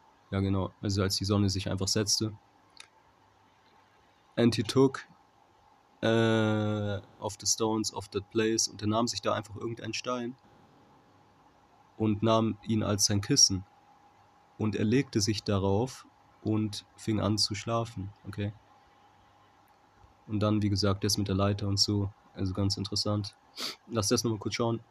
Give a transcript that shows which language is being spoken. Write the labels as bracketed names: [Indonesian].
[German] Ja, genau, also als die Sonne sich einfach setzte. [English] And he took of the stones of that place. [German] Und er nahm sich da einfach irgendeinen Stein und nahm ihn als sein Kissen. Und er legte sich darauf und fing an zu schlafen. Okay. Und dann, wie gesagt, das mit der Leiter und so. Also ganz interessant. Lass das nochmal kurz schauen.